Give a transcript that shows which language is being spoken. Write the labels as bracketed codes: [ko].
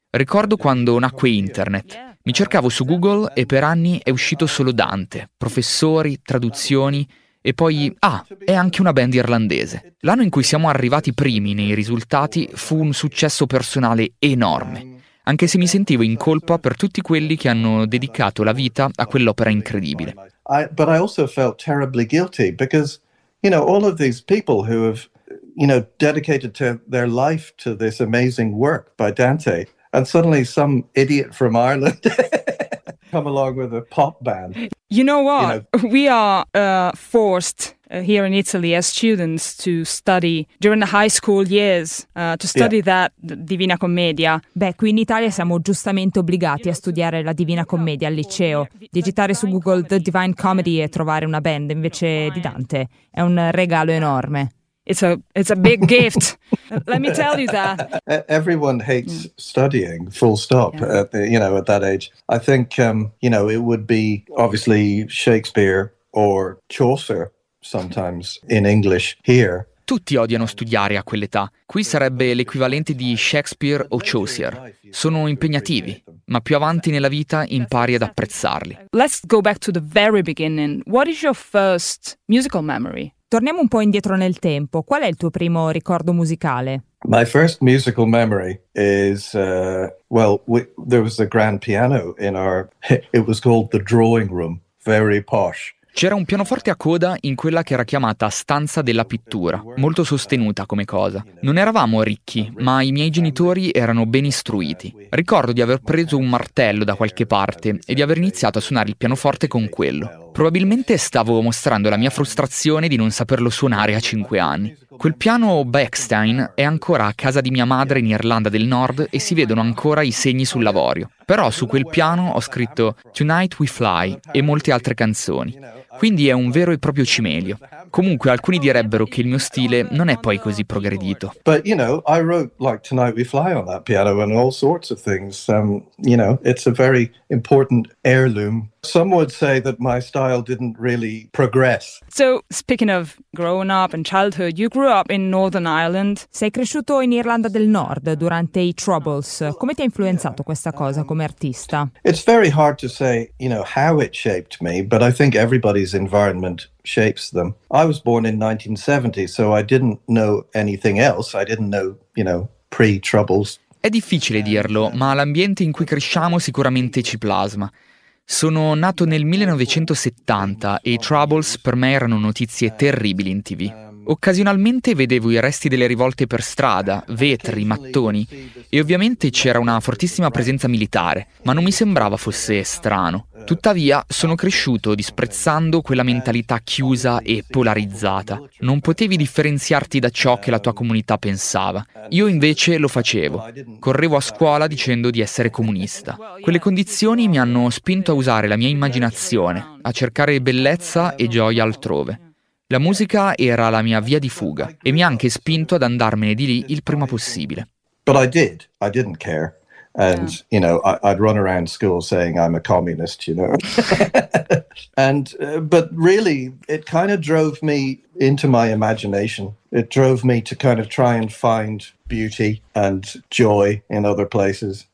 [it] Ricordo quando nacque internet. Mi cercavo su Google e per anni è uscito solo Dante, professori, traduzioni e poi, ah, è anche una band irlandese. L'anno in cui siamo arrivati primi nei risultati fu un successo personale enorme, anche se mi sentivo in colpa per tutti quelli che hanno dedicato la vita a quell'opera incredibile. [en] But I also felt terribly guilty because, you know, all of these people who have, you know, dedicated to their life to this amazing work by Dante, and suddenly some idiot from Ireland come along with a pop band. You know what? You know, we are forced here in Italy as students to study during the high school years to study that Divina Commedia. [it] Beh, qui in Italia siamo giustamente obbligati a studiare la Divina Commedia al liceo. Digitare su Google The Divine Comedy e trovare una band invece di Dante è un regalo enorme. [en] It's a big gift. Let me tell you that. Everyone hates studying, full stop, at that age. I think, it would be obviously Shakespeare or Chaucer sometimes in English here. [it] Tutti odiano studiare a quell'età. Qui sarebbe l'equivalente di Shakespeare o Chaucer. Sono impegnativi, ma più avanti nella vita impari ad apprezzarli. [en] Let's go back to the very beginning. What is your first musical memory? [it] Torniamo un po' indietro nel tempo. Qual è il tuo primo ricordo musicale? [en] My first musical memory is there was a grand piano in our, it was called the drawing room, very posh. [it] C'era un pianoforte a coda in quella che era chiamata stanza della pittura, molto sostenuta come cosa. Non eravamo ricchi, ma i miei genitori erano ben istruiti. Ricordo di aver preso un martello da qualche parte e di aver iniziato a suonare il pianoforte con quello. Probabilmente stavo mostrando la mia frustrazione di non saperlo suonare a 5 anni. Quel piano Bechstein è ancora a casa di mia madre in Irlanda del Nord e si vedono ancora i segni sull'avorio. Però su quel piano ho scritto Tonight We Fly e molte altre canzoni. Quindi è un vero e proprio cimelio. Comunque alcuni direbbero che il mio stile non è poi così progredito. [en] But you know, I wrote like Tonight We Fly on that piano and all sorts of things. It's a very important heirloom Some would say that my style didn't really progress. So, speaking of growing up and childhood, you grew up in Northern Ireland. [it] Sei cresciuto in Irlanda del Nord durante i Troubles. Come ti ha influenzato questa cosa come artista? [en] It's very hard to say, you know, how it shaped me, but I think everybody's environment shapes them. I was born in 1970, so I didn't know anything else. I didn't know, you know, pre-Troubles. [it] È difficile dirlo, ma l'ambiente in cui cresciamo sicuramente ci plasma. Sono nato nel 1970 e i Troubles per me erano notizie terribili in TV. Occasionalmente vedevo i resti delle rivolte per strada, vetri, mattoni, e ovviamente c'era una fortissima presenza militare, ma non mi sembrava fosse strano. Tuttavia, sono cresciuto disprezzando quella mentalità chiusa e polarizzata. Non potevi differenziarti da ciò che la tua comunità pensava. Io invece lo facevo. Correvo a scuola dicendo di essere comunista. Quelle condizioni mi hanno spinto a usare la mia immaginazione, a cercare bellezza e gioia altrove. La musica era la mia via di fuga e mi ha anche spinto ad andarmene di lì il prima possibile. [en] But I didn't care. And, you know, I'd run around school saying I'm a communist, you know. And, but really, it kind of drove me into my imagination. It drove me to kind of try and find beauty and joy in other places.